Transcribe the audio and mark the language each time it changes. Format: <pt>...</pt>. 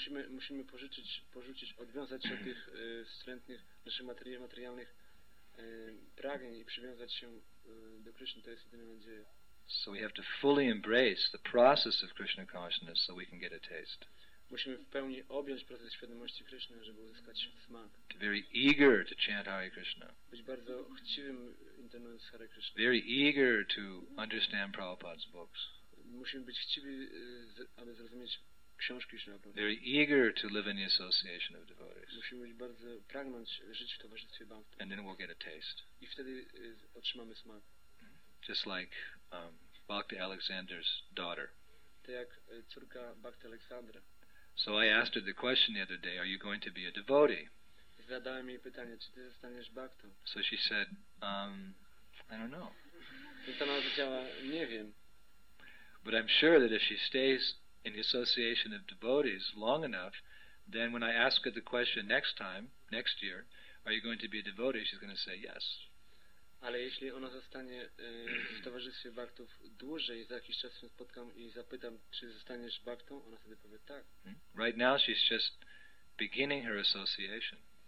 <pl>Musimy porzucić, odwiązać się od tych wstrętnych naszych materialnych pragnień i przywiązać się do Krishna. To jest jedyna nadzieja.</pl> <en>So we have to fully embrace the process of Krishna consciousness so we can get a taste.</en> <pl>Musimy w pełni objąć proces świadomości Krishna, żeby uzyskać smak.</pl> <en>To very eager to chant Hare Krishna.</en> <pl>Być bardzo chciwym intonując Hare Krishna.</pl> <en>Very eager to understand Prabhupada's books.</en> <pl>Musimy być chciwi, aby zrozumieć książki Krishna.</pl> <en>Very eager to live in the association of devotees.</en> <pl>Musimy być bardzo pragnąć żyć w towarzystwie bhakt.</pl> <en>And then we'll get a taste.</en> <pl>I wtedy otrzymamy smak.</pl> <en>Just like Bhakti Alexander's daughter.</en> <pl>Tak jak córka Bhakti Aleksandra.</pl> <en>So I asked her the question the other day, are you going to be a devotee?</en> <pl>Zadałem jej pytanie, czy ty zostaniesz bhaktą?</pl> <en>So she said, I don't know.</en> <pl>Więc ona powiedziała, nie wiem.</pl> <en>But I'm sure that if she stays in the association of devotees long enough, then when I ask her the question next time, next year, are you going to be a devotee, she's going to say yes.</en> <pl>Ale jeśli ona zostanie w towarzystwie bhaktów dłużej, za jakiś czas się spotkam i zapytam, czy zostaniesz bhaktą, ona wtedy powie tak.</pl> <en>Right now she's just beginning her association.</en>